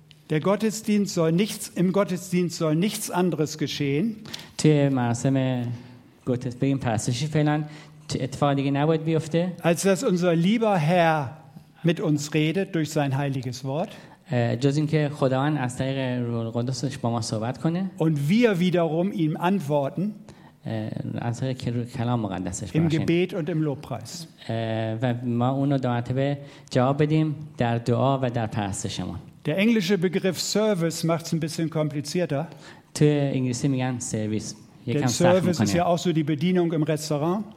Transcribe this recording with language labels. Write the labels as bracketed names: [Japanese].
[German] Der Gottesdienst soll nichts im Gottesdienst soll nichts anderes geschehen. Der Maßeme Gottes beim Passage fehlen, etwa die genau wird بیفته. Als dass unser lieber Herr mit uns redet durch sein heiliges Wort. [Persian] جز اینکه خداوند از طریق روح القدسش با ما صحبت کنه [German] und wir wiederum ihm antworten [Persian] از طریق کلام مقدسش [German] im gebet und im lobpreis [Persian] و ما اونو در مرتبه جواب بدیم در دعا و در پرستشمون [German] der englische begriff service macht's ein bisschen komplizierter [Persian] تو انگلیسی میگن سرویس [German] Denn Service ist ja auch so die Bedienung im Restaurant